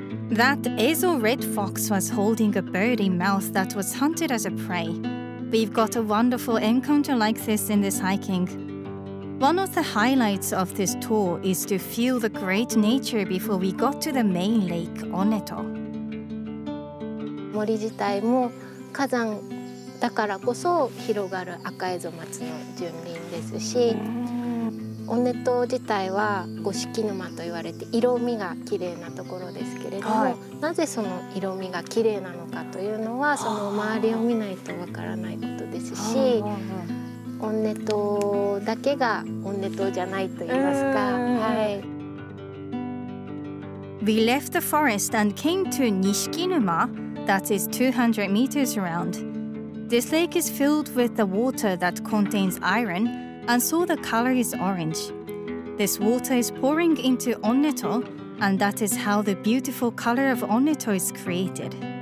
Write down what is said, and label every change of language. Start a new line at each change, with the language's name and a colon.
English: That Azure Red Fox was holding a bird in mouth that was hunted as a prey. We've got a wonderful encounter like this in this hiking. One of the highlights of this tour is to feel the great nature before we got to the main lake, Oneto.
Japanese: 森自体も火山だからこそ広がる赤蝦松の純林ですし、 オネ島自体は五色沼と言われて色味が綺麗なところですけれども、なぜその色味が綺麗なのかというのはその周りを見ないとわからないことですし、オネ島だけがオネ島じゃないと言いますか。はい。
English: We left the forest and came to Nishikinuma, that is 200 meters around. This lake is filled with the water that contains iron, and so the color is orange. This water is pouring into Oneto, and that is how the beautiful color of Oneto is created.